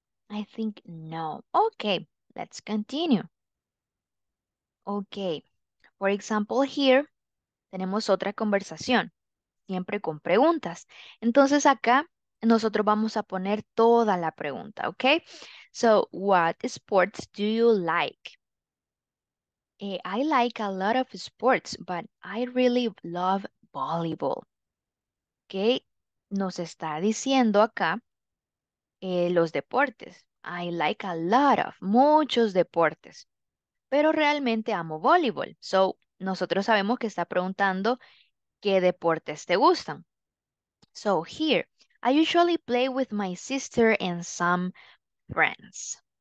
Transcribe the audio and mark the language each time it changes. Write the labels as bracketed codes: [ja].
[en] I think no. Ok, let's continue. Ok, for example here, [es] tenemos otra conversación. Siempre con preguntas. Entonces acá nosotros vamos a poner toda la pregunta, ¿ok? [en] So, what sports do you like? I like a lot of sports, but I really love volleyball. [es] ¿Ok? Nos está diciendo acá los deportes. [en] I like a lot of, [es] muchos deportes. Pero realmente amo volleyball. So, nosotros sabemos que está preguntando ¿qué deportes te gustan? [en] So here, I usually play with my sister and some friends.